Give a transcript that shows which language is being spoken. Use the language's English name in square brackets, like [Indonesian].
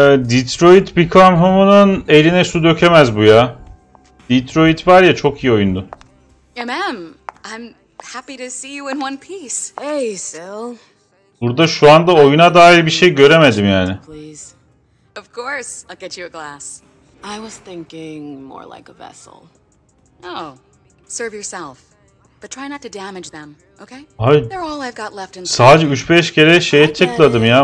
[Turkish] Detroit Become Human'ın eline su dökemez bu ya. Detroit var ya, çok iyi oyundu. [English] Eminem, I'm happy to see you in one piece. Hey, Syl. [Turkish] Burada şu anda oyuna dair bir şey göremedim yani. [English] Of course, I'll get you a glass. I was thinking more like a vessel. Oh. Serve yourself. But try not to damage them, okay? [Turkish] Hayır. [English] They're all I've got left in the [Turkish] sadece 3-5 kere şeye tıkladım ya.